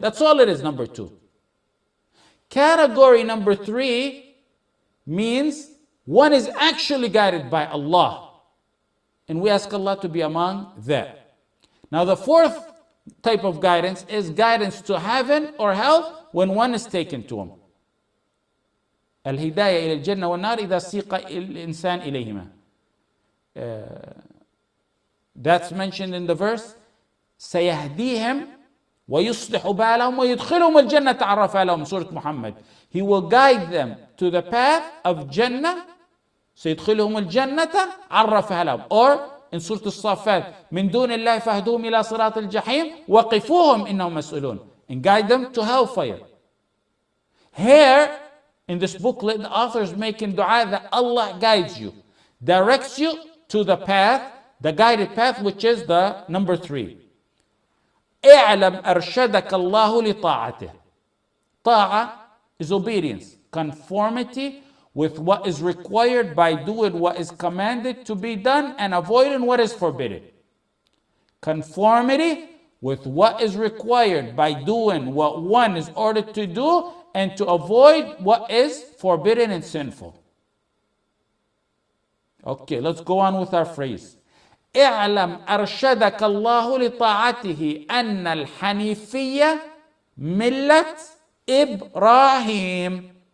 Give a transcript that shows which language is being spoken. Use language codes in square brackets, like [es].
[en] That's all it is, number two. Category number three means one is actually guided by Allah. And we ask Allah to be among that. Now the fourth type of guidance is guidance to heaven or hell when one is taken to him. [ar] الهداية إلى الجنة والنار إذا سيق الإنسان إليهما. [en] That's mentioned in the verse. [ar] سيهديهم ويصلح بالهم ويدخلهم الجنة تعرف عليهم. سورة محمد. [en] He will guide them to the path of Jannah. [ar] سيدخلهم الجنة عرف عليهم. Or in Surah Al-Safat, من دون الله فهدوهم إلى صراط الجحيم وقفوهم إنهم مسؤولون. [en] And guide them to hellfire. Here, in this booklet, the author is making dua that Allah guides you, directs you to the path, the guided path, which is the number three. [ar] اعلم أرشدك الله لطاعته. [en] طاعة is obedience, conformity with what is required by doing what is commanded to be done and avoiding what is forbidden. Conformity with what is required by doing what one is ordered to do and to avoid what is forbidden and sinful. Okay, let's go on with our phrase. [ar] اعلم أرشدك الله لطاعته أن الحنيفية ملة إبراهيم.